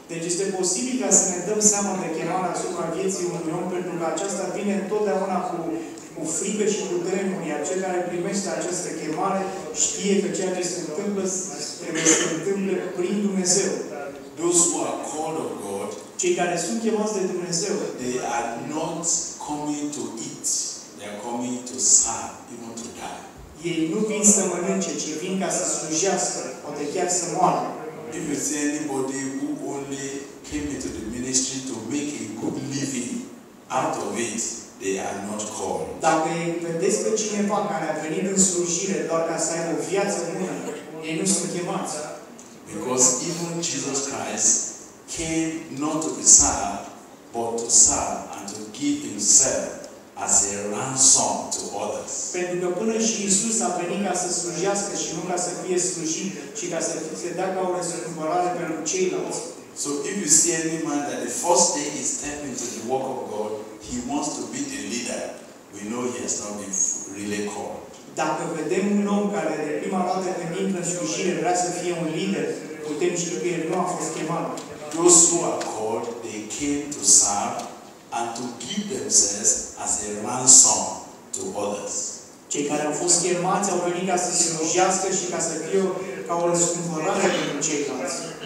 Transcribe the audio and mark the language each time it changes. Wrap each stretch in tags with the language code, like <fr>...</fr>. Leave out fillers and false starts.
<ro>Deci este posibil ca să ne dăm seama de chemarea asupra vieții unui om, pentru că aceasta vine întotdeauna cu frică și cu tremur, iar cel care primește această chemare știe că ceea ce se întâmplă, trebuie să se întâmple prin Dumnezeu.</ro> <en>Those who are called of God,</en> <ro>cei care sunt chemați de Dumnezeu,</ro> <en>they are not coming to eat, they are coming to serve, even to die.</en> <ro>Ei nu vin să mănânce, ci vin ca să slujească, poate chiar să moară.</ro> <en>If you see anybody who only came into the ministry to make a good living out of it, they are not called.</en> <ro>Dacă vedeți pe cineva care a venit în slujire doar ca să aibă o viață bună, ei nu sunt chemați.</ro> <en>Because even Jesus Christ came not to be served, but to serve and to give himself as a ransom to others.</en> <ro>Pentru că până și Iisus a venit ca să slujească și nu ca să fie slujit, ci ca să se dea ca o răscumpărare pentru ceilalți.</ro> <en>So if you see any man that the first day he stepped into the work of God, he wants to be the leader, we know he has not been really called.</en> <ro>Dacă vedem un om care de prima dată când intră în slujire vrea să fie un lider, putem ști că el nu a fost chemat.</ro> <en>Those who are called, they came to serve and to give themselves as a ransom to others.</en> <ro>Cei care au fost chemați au venit ca să se slujească și ca să fie ca o răscumpărare pentru ceilalți.</ro>